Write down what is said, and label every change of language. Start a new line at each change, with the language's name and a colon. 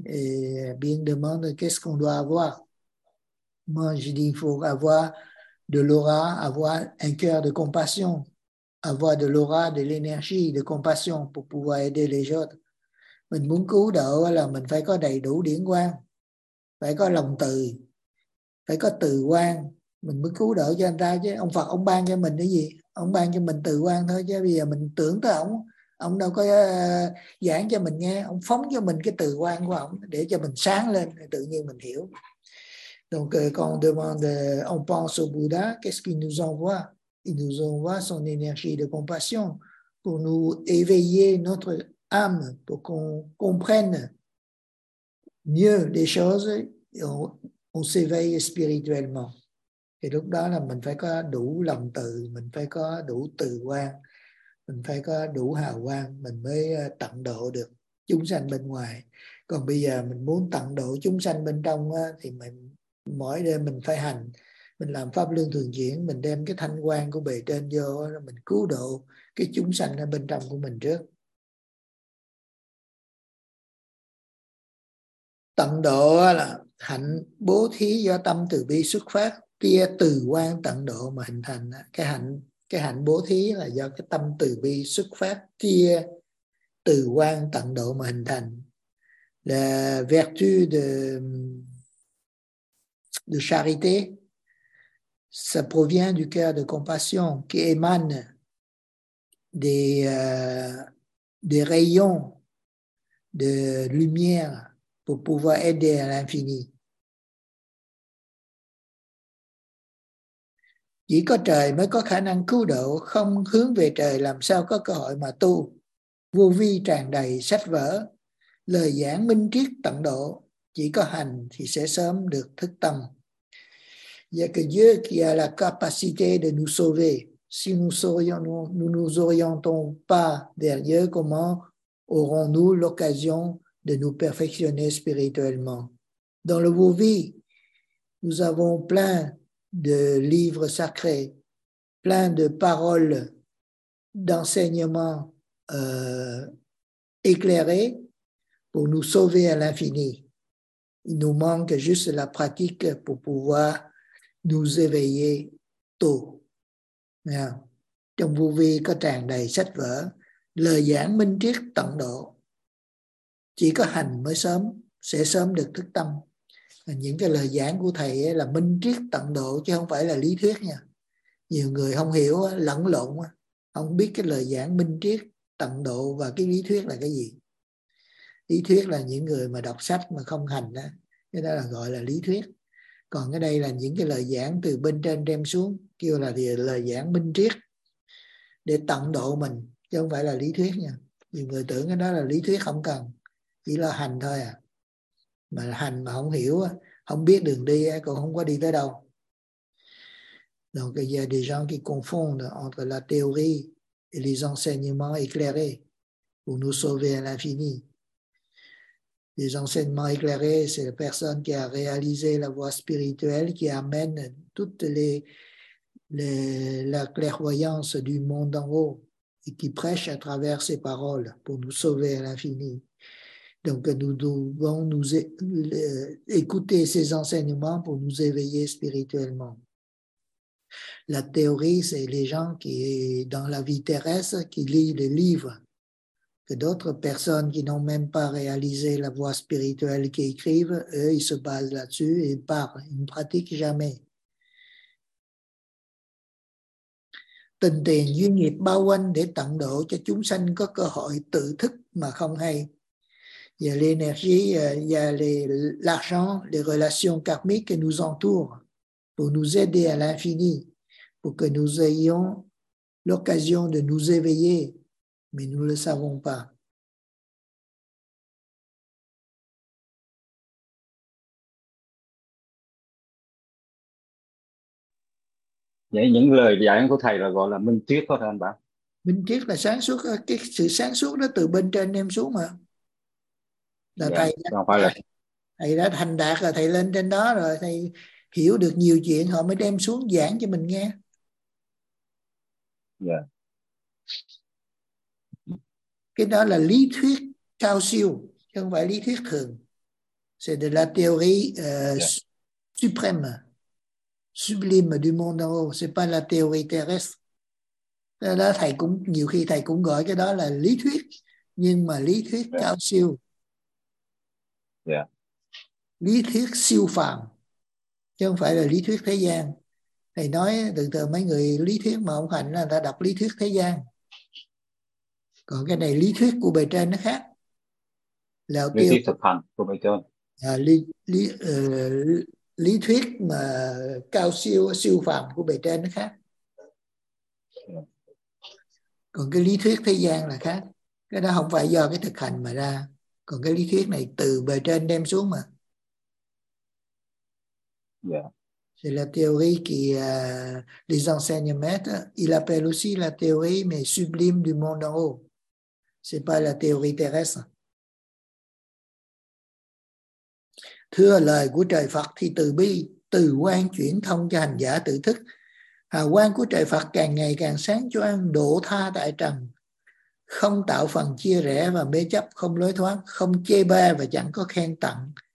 French: Et bien demande qu'est-ce qu'on doit avoir. Moi, j'ai dit, il faut avoir de l'aura, avoir un cœur de compassion, avoir de l'aura, de l'énergie, de compassion pour pouvoir aider les autres.
Vietnamese: Mình muốn cứu đỡ là mình phải có đầy đủ điển quang, phải có lòng từ, phải có từ quang, mình mới cứu đỡ cho anh ta chứ. Ông Phật ông ban cho mình cái gì? Ông ban cho mình từ quang thôi chứ. Bây giờ mình tưởng tới ông đâu có giảng cho mình nghe. Ông phóng cho mình cái từ quang của ông để cho mình sáng lên, tự nhiên mình hiểu.
French: Donc quand on demande, on pense au Bouddha, qu'est-ce qu'il nous envoie? Il nous envoie son énergie de compassion pour nous éveiller notre âme, pour qu'on comprenne mieux les choses et on s'éveille spirituellement.
Vietnamese: Et lúc đó là mình phải có đủ lòng từ, mình phải có đủ từ quang, mình phải có đủ hào quang, mình mới tận độ được chúng sanh bên ngoài. Còn bây giờ mình muốn tận độ chúng sanh bên trong thì mình mỗi đêm mình phải hành, mình làm pháp luân thường chuyển, mình đem cái thanh quang của bề trên vô, mình cứu độ cái chúng sanh ở bên trong của mình trước. Tận độ là hạnh bố thí do tâm từ bi xuất phát, kia từ quang tận độ mà hình thành. Cái hạnh bố thí là do cái tâm từ bi xuất phát, kia từ quang tận độ mà hình thành.
French: La vertu de charité, ça provient du cœur de compassion qui émane des rayons de lumière pour pouvoir aider à l'infini.
Vietnamese: Chỉ có trời mới có khả năng cứu độ, không hướng về trời làm sao có cơ hội mà tu. Vô vi tràn đầy sách vở, lời giảng minh triết tận độ, chỉ có hành thì sẽ sớm được thức tâm.
French: Il y a que Dieu qui a la capacité de nous sauver. Si nous saurions, nous nous orientons pas vers Dieu, comment aurons-nous l'occasion de nous perfectionner spirituellement? Dans le Vouvi, nous avons plein de livres sacrés, plein de paroles d'enseignements éclairés pour nous sauver à l'infini. Il nous manque juste la pratique pour pouvoir nous éveiller tôt. Yeah.
Vietnamese: Trong vô vi có tràn đầy sách vở, lời giảng minh triết tận độ. Chỉ có hành mới sớm, sẽ sớm được thức tâm. Những cái lời giảng của thầy ấy là minh triết tận độ chứ không phải là lý thuyết nha. Nhiều người không hiểu, lẫn lộn, không biết cái lời giảng minh triết tận độ và cái lý thuyết là cái gì. Lý thuyết là những người mà đọc sách mà không hành, cái đó là gọi là lý thuyết. Còn cái đây là những cái lời giảng từ bên trên đem xuống, kêu là lời giảng minh triết để tận độ mình, chứ không phải là lý thuyết nha. Nhiều người tưởng cái đó là lý thuyết, không cần, chỉ là hành thôi à. Mà hành mà không hiểu, không biết đường đi, còn không có đi tới đâu.
French: Donc il y a des gens qui confondent entre la théorie et les enseignements éclairés pour nous sauver à l'infini. Les enseignements éclairés, c'est la personne qui a réalisé la voie spirituelle qui amène toute la clairvoyance du monde en haut et qui prêche à travers ses paroles pour nous sauver à l'infini. Donc, nous devons nous écouter ces enseignements pour nous éveiller spirituellement. La théorie, c'est les gens qui, dans la vie terrestre, qui lisent des livres, que d'autres personnes qui n'ont même pas réalisé la voie spirituelle qui écrivent, eux, ils se basent là-dessus et parlent. Ils ne pratiquent jamais.
Vietnamese: Tình tiền duyên nghiệp bao quanh để tận độ cho chúng sanh có cơ hội tự thức mà không hay.
French: Và l'énergie, và l'argent, les relations karmiques qui nous entourent pour nous aider à l'infini, pour que nous ayons l'occasion de nous éveiller, mais nous ne le savons pas.
Vietnamese: Những lời dạy của thầy là gọi là minh triết đó anh bạn. Minh triết là sáng suốt, cái sự sáng suốt nó từ bên trên đem xuống mà. Là yeah, thầy, không phải là... thầy đã thành đạt rồi, thầy lên trên đó rồi, thầy hiểu được nhiều chuyện, họ mới đem xuống giảng cho mình nghe. Dạ. Yeah. Cái đó là lý thuyết cao siêu, chứ không phải lý thuyết thường.
French: C'est de la théorie suprême. Sublime du monde en haut, c'est pas la théorie terrestre.
Vietnamese: Là thầy cũng nhiều khi thầy cũng gọi cái đó là lý thuyết, nhưng mà lý thuyết cao siêu. Yeah. Lý thuyết siêu phàm chứ không phải là lý thuyết thế gian. Thầy nói từ từ mấy người lý thuyết mà ông Hạnh là ta đọc lý thuyết thế gian. Còn cái này lý thuyết của bề trên nó khác. Là lý thuyết thực hành của bề trên. Lý thuyết mà cao siêu, siêu phàm của bề trên nó khác. Còn cái lý thuyết thế gian là khác. Cái đó không phải do cái thực hành mà ra. Còn cái lý thuyết này từ bề trên đem xuống mà. Yeah.
French: C'est la théorie qui les enseignes mettent. Il appelle aussi la théorie mais sublime du monde en haut. C'est pas la théorie terrestre.
Vietnamese: Thưa lời của trời Phật thì từ bi, từ quan chuyển thông cho hành giả tự thức. Hào quang của trời Phật càng ngày càng sáng choang, độ tha tại trần. Không tạo phần chia rẽ và mê chấp, không lối thoát, không chê ba và chẳng có khen tặng.